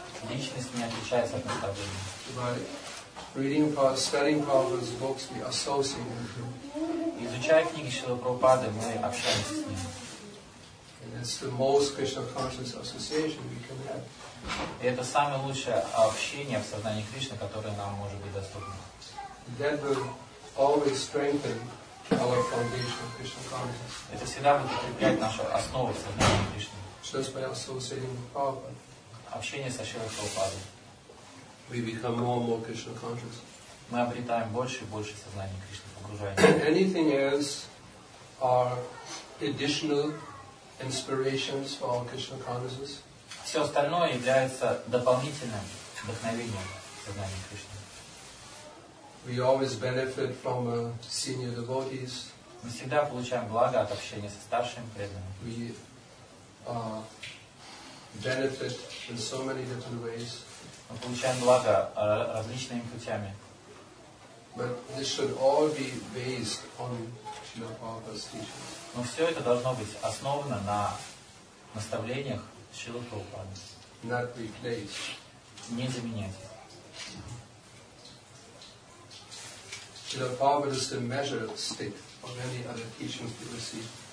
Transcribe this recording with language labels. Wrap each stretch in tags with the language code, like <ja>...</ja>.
<ru>Личность не отличается от наставления.</ru> <en>Reading Prabhupada, studying Prabhupada's books, we associate with him.</en> <ru>Изучая книги Шрилы Прабхупады, мы общаемся с ним.</ru> <en>And that's the most Krishna conscious association we can have.</en> <ru>И это самое лучшее общение в сознании Кришны, которое нам может быть доступно.</ru> <en>That will always strengthen our foundation of Krishna consciousness.</en> <ru>Это всегда будет укреплять нашу основу в сознании Кришны.</ru> <en>Just by associating with Prabhupada.</en> <ru>Общение со Шрилой Прабхупадой.</ru> <en>We become more and more Krishna conscious.</en> <ru>Мы обретаем больше и больше сознания Кришны, погружаясь.</ru> <en>Anything else are additional inspirations for our Krishna consciousness.</en> <ru>Все остальное является дополнительным вдохновением сознания Кришны.</ru> <en>We always benefit from senior devotees.</en> <ru>Мы всегда получаем благо от общения со старшими преданными.</ru> <en>We benefit in so many different ways.</en> <ru>Мы получаем благо различными путями.</ru> <en>But this should all be based on Srila Prabhupada's teachings.</en> <ru>Но все это должно быть основано на наставлениях Шрилы Прабхупады.</ru> <en>Not replaced.</en> <ru>Не заменять.</ru> <en>Srila Prabhupada is the measure stick of any other teachings we receive.</en>